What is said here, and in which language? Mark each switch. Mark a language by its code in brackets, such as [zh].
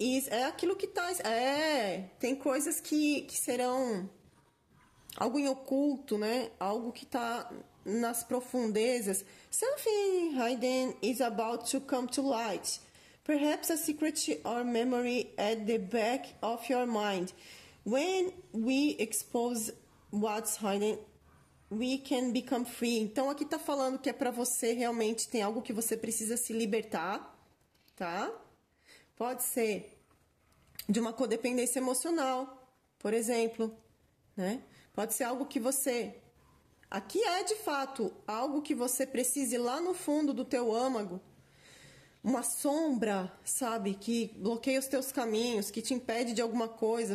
[pt] É aquilo que tá. Tem coisas que serão algo em oculto, né? Algo que tá nas profundezas. [en] Something hidden is about to come to light. Perhaps a secret or memory at the back of your mind. When we expose what's hidden, we can become free. [pt] Então aqui tá falando que é para você realmente tem algo que você precisa se libertar, tá? Pode ser de uma codependência emocional, por exemplo, né? Pode ser algo que você. Aqui é de fato algo que você precise lá no fundo do teu âmago, uma sombra, sabe, que bloqueia os teus caminhos, que te impede de alguma coisa.